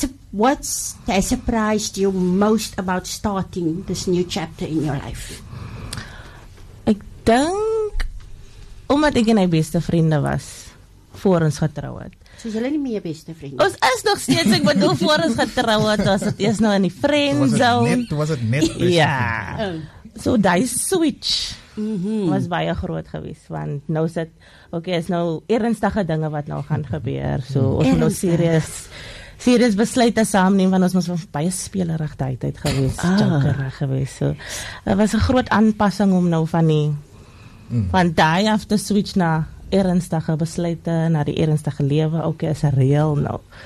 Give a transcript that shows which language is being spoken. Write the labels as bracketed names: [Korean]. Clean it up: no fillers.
[English] What surprised you most about starting this new chapter in your life? [Afrikaans] Ek dink, omdat ek en my beste vriende was, voor ons getrouw het. So is hulle nie meer beste vriende? Ons is nog steeds, ek bedoel, voor ons getrouw het, was het eerst nou in die friendzone. Was het net ja. So die switch. Was baie groot geweest, want nou is het, okay, is nou ernstige dinge wat nou gaan gebeur, so ons moet nou serious besluit te saam neem, want ons was baie spelerig tyd geweest, jokerig geweest, so het was 'n groot aanpassing om nou van die van die af te switch na ernstige besluite, na die ernstige lewe, okay, is reëel nou.